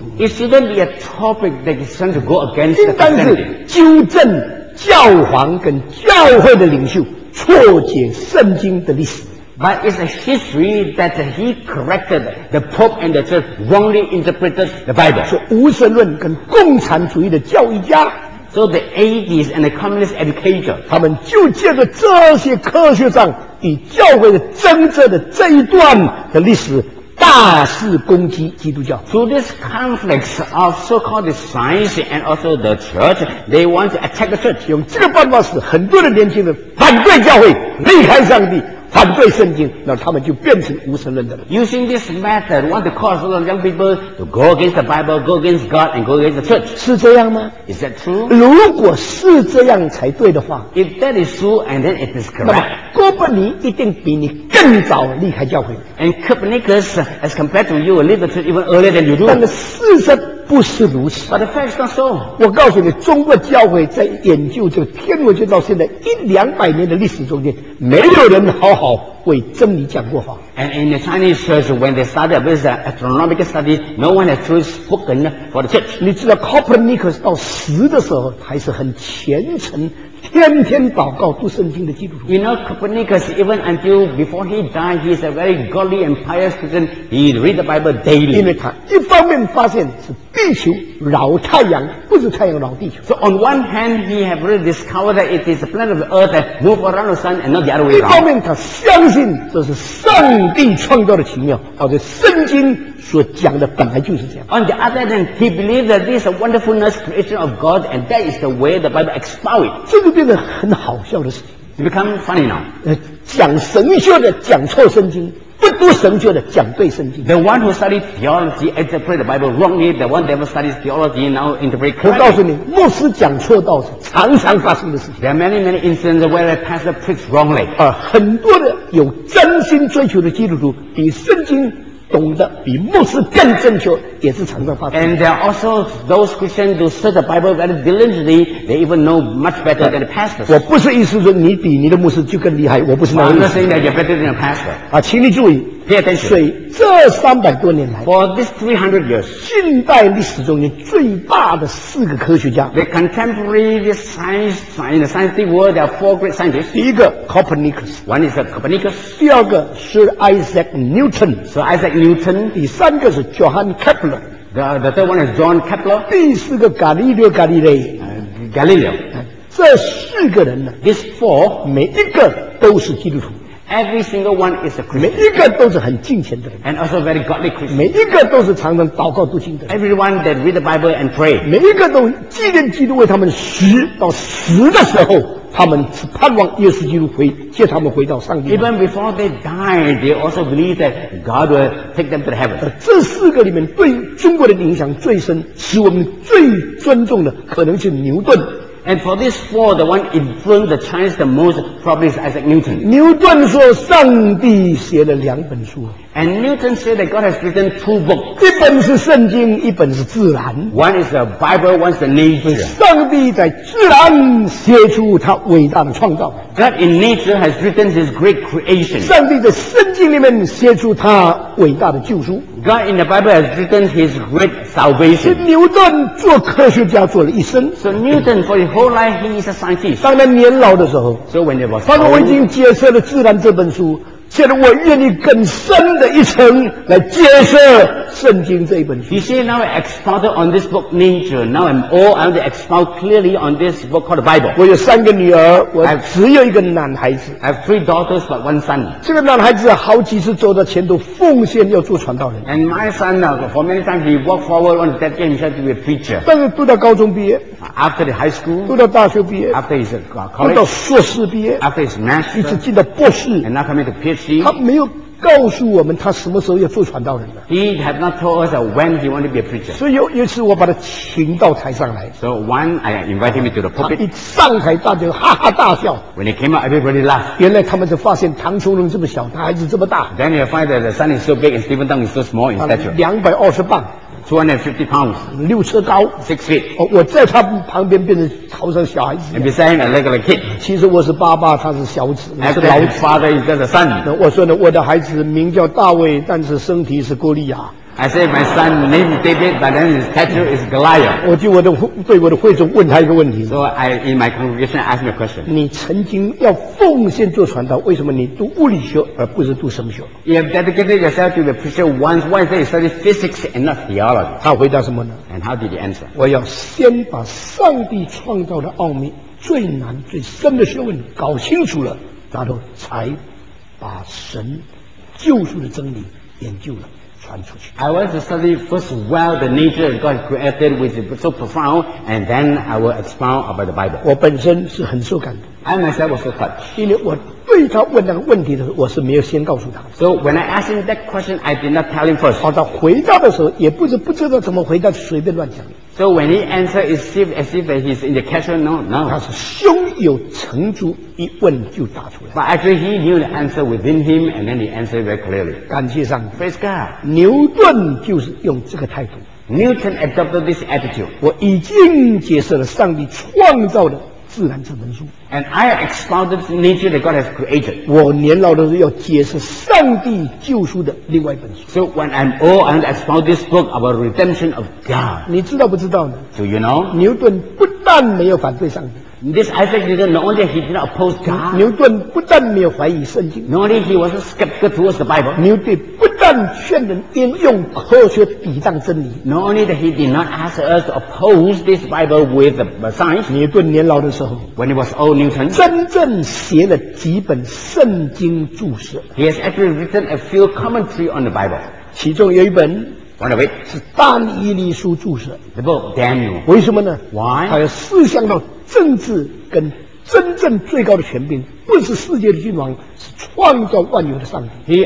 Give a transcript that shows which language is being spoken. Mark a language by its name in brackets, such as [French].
[English] it shouldn't be a topic that is trying to go against the Christianity [Chinese] 应当是纠正教皇跟教会的领袖错解圣经的历史 [English] But it's a history that he corrected the Pope and the Church wrongly interpreted the Bible. [Chinese] 是无神论跟共产主义的教育家。 [English] So the atheists and the communist educator. [Chinese] 他们就借着这些科学上与教会的争执的这一段的历史大肆攻击基督教。 [English] Through this conflict of so-called science and also the church, they want to attack the church. [Chinese] 用这个办法使很多的年轻人反对教会，离开上帝。反对圣经，那他们就变成无神论的人。 [English] Using this method, want to cause all the young people to go against the Bible, go against God, and go against the church. [Chinese] 是这样吗？ [English] Is that true? [Chinese] 如果是这样才对的话， [English] If that is true, and then it is correct. [Chinese] 那么哥本尼一定比你更早离开教会。 [English] And Copernicus, as compared to you, will leave the church even earlier than you do. [Chinese] 但是事实不是如此。 [English] But the fact is not so. [Chinese] 我告诉你，中国教会在研究这个天文学到现在一两百年的历史中间，没有人好好为真理讲过话。 [English] And in the Chinese church, when they started with the astronomical study, no one has truly spoken for the church. [Chinese] 你知道 Copernicus 到死的时候还是很虔诚。天天祷告读圣经的基督徒。 [English] You know, Copernicus, even until before he died, he is a very godly and pious person. He read the Bible daily. [Chinese] 因为他一方面发现是地球绕太阳，不是太阳绕地球。 [English] So on one hand, he have really discovered that it is the planet of the earth that move around the sun and not the other way around. [Chinese] 一方面他相信这是上帝创造的奇妙，而且圣经所讲的本来就是这样。 [English] On the other hand, he believes that this is a wonderfulness creation of God, and that is the way the Bible expounds it. [Chinese] 这个变得很好笑的事情。 [English] It become funny now. [Chinese] 讲神学的讲错圣经，不读神学的讲对圣经。 [English] The one who studies theology interpret the Bible wrongly. The one that studies theology now interpret correctly. [Chinese] 我告诉你，牧师讲错道是常常发生的事情。 [English] There are many, many instances where the pastor preaches wrongly. [Chinese] 很多的有真心追求的基督徒比圣经懂得比牧师更正确，也是常常发生。 [English] And there are also those Christians who study the Bible very diligently. They even know much better than the pastors. [Chinese] 我不是意思说你比你的牧师就更厉害，我不是那意思。 [English] I'm not saying that you're better than a pastor. [Chinese] 请你注意。 [English] Pay attention. [Chinese] 所以这三百多年来 [English] ，For this 300 years， [Chinese] 近代历史中间最大的四个科学家 [English] ，The contemporary science in the scientific world， there are four great scientists。 [Chinese] 第一个 Copernicus， [English] one is Copernicus。 [Chinese] 第二个是 Isaac Newton， [English] Sir Isaac Newton。 [Chinese] 第三个是 Johann Kepler， [English] the third one is John Kepler。 [Chinese] 第四个 Galileo Galilei， [English] Galileo。 [Chinese] 这四个人呢 [English] ，these four， [Chinese] 每一个都是基督徒。 [English] Every single one is a Christian. [Chinese] 每一个都是很敬虔的人。 [English] And also very godly Christian. [Chinese] 每一个都是常常祷告读经的人。 [English] Everyone that read the Bible and pray. [Chinese] 每一个都纪念基督为他们死，到死的时候，他们是盼望耶稣基督回接他们回到上帝。 [English] Even before they die, they also believe that God will take them to heaven. [Chinese] 这四个里面对中国人影响最深，使我们最尊重的可能是牛顿。 [English] And for this four, the one influenced the Chinese the most probably is Isaac Newton. [Chinese] Newton 说上帝写了两本书。 [English] And Newton said that God has written two books. [Chinese] 一本是圣经，一本是自然。 [English] One is the Bible, one is the nature. [Chinese] 上帝在自然写出他伟大的创造。 [English] God in nature has written his great creation. [Chinese] 上帝在圣经里面写出他伟大的救赎。 [English] God in the Bible has written his great salvation. [Chinese] 牛顿做科学家做了一生。 [English] So Newton for his whole life he is a scientist. [Chinese] 当他年老的时候，他说我已经接受了自然这本书。现在我愿意更深的一层来接受圣经这一本书。 [English] He said, "Now I expounded on this book, nature. Now I'm all I want to expound clearly on this book called the Bible." [Chinese] 我有三个女儿，我只有一个男孩子。 [English] I have three daughters but one son. [Chinese] 这个男孩子好几次走到前头奉献要做传道人。 [English] And my son, for many times he walked forward on that day himself to be a preacher. [Chinese] 但是读到高中毕业 [English] ，After the high school， [Chinese] 读到大学毕业 [English] ，After his college， [Chinese] 读到硕士毕业 [English] ，After his master， [Chinese] 一直进到博士 [English] ，And now coming to PhD。 [Chinese] 他没有告诉我们他什么时候要做传道人的。 [English] He had not told us when he wanted to be a preacher. [Chinese] 所以有一次我把他请到台上来。 [English] So one, I invited him to the pulpit. [Chinese] 一上台大家哈哈大笑。 [English] When he came out, everybody laughed. [Chinese] 原来他们就发现唐崇荣这么小，他孩子这么大。 [English] Then you find that the son is so big and Stephen Tong is so small in stature. [Chinese] 220磅。 [English] 250 pounds. [Chinese] 六尺高。 [English] Six feet. [Chinese] 我在他旁边变成好像小孩子。 [English] And beside him, I look like a kid. [Chinese] 其实我是爸爸，他是小子，我是老子。 [English] Father is just a son. [Chinese] 那我说呢，我的孩子名叫大卫，但是身体是哥利亚。 [English] I say my son named David, but then his stature is Goliath. [Chinese] 我就对我的会众问他一个问题。 [English] So I in my congregation ask me a question. [Chinese] 你曾经要奉献做传道，为什么你读物理学而不是读神学 [English] ？You have dedicated yourself to the preacher once. Why did you study physics and not theology? [Chinese] 他回答什么呢 [English] ？And how did he answer? [Chinese] 我要先把上帝创造的奥秘最难最深的学问搞清楚了，然后才把神救赎的真理研究了。 [English] I want to study first well the nature of God created which is so profound and then I will expound about the Bible. [Chinese] 我本身是很受感动。 [English] I myself was so touched. [Chinese] 因为我对他问那个问题的时候我是没有先告诉他。 [English] So when I asked him that question, I did not tell him first. [Chinese] 他回答的时候也不是不知道怎么回答随便乱讲。 [English] So when he answered, it's as if he's in the casual, no. [Chinese] 他是胸有成竹一问就答出来。 [English] But actually he knew the answer within him and then he answered very clearly. [Chinese] 感谢上帝。 [English] Praise God. [Chinese] 牛顿就是用这个态度。 [English] Newton adopted this attitude. [Chinese] 我已经解释了上帝创造的自然这本书。 [English] And I expounded nature that God has created. [Chinese] 我年老的时候要解释上帝救赎的另外一本书。 [English] So when I'm old, I'll expound this book about redemption of God. [Chinese] 你知道不知道呢 [English] ？Do you know? [Chinese] 牛顿不但没有反对上帝。 [English] This Isaac Newton, not only he did not oppose God. [Chinese] 牛顿不但没有怀疑圣经。 [English] Not only he was a skeptical towards the Bible. [Chinese] 牛顿不但但劝人应用科学抵挡真理。 [English] Not only that he did not ask us to oppose this Bible with the science. [Chinese] 牛顿年老的时候 [English] ，When he was old, Newton [Chinese] 真正写了几本圣经注释。 [English] He has actually written a few commentary on the Bible. [Chinese] 其中有一本。 [English] One of it [Chinese] 是但以理书注释 [English] ，The book Daniel。 [Chinese] 为什么呢 [English] ？Why？ [Chinese] 它要思想到政治跟真正最高的权柄，不是世界的君王，是创造万有的上帝。